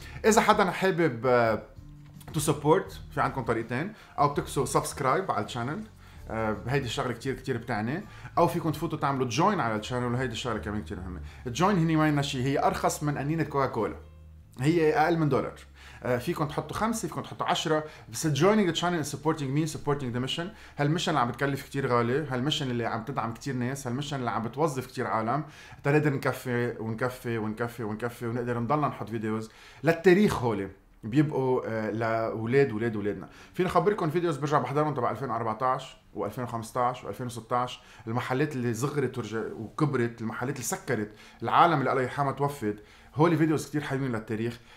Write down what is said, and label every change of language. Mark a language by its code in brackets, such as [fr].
[ar] اذا حدا حابب [en] to support [ar] في عندكم طريقتين، او بتكسو سبسكرايب على الشانل هيدي الشغله كتير كتير بتعني، او فيكم تفوتوا تعملوا جوين على الشانل وهيدي الشغله كمان كتير مهمه. الجوين هني ما لنا شيء، هي ارخص من انين الكوكاكولا، هي اقل من دولار. فيكم تحطوا 5 فيكم تحطوا 10، بس [en] joining the channel is supporting me supporting the mission. [ar] هالمشن اللي عم بتكلف كتير غالي، هالمشن اللي عم تدعم كتير ناس، هالمشن اللي عم بتوظف كتير عالم تقدر نكفي ونكفي ونكفي ونكفي ونقدر نضلنا نحط فيديوز للتاريخ هولي بيبقوا لاولاد اولاد اولادنا. فيني اخبركم فيديوز برجع بحضرهم تبع 2014 و2015 و2016، المحلات اللي صغرت وكبرت، المحلات اللي سكرت، العالم اللي الله يرحمه توفت، هولي فيديوز كتير حلوين للتاريخ.